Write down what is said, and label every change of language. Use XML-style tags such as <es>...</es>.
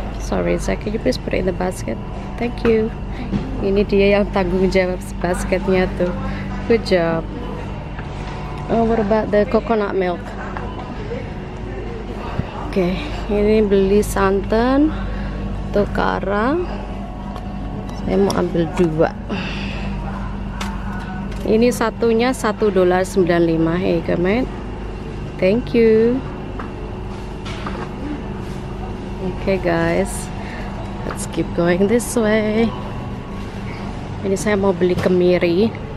<en>Sorry Zach, can you please put it in the basket? Thank you.</en> <id>Ini dia yang tanggung jawab basketnya tuh.</id> <en>Good job. Oh, what about the coconut milk?</en> <id>Oke, okay, ini beli santan untuk Kara. Saya mau ambil dua. Ini satunya</id> <en>$1.95. Hey, come on. Thank you. Okay, guys. Let's keep going this way.</en> <id>Ini saya mau beli kemiri.</id>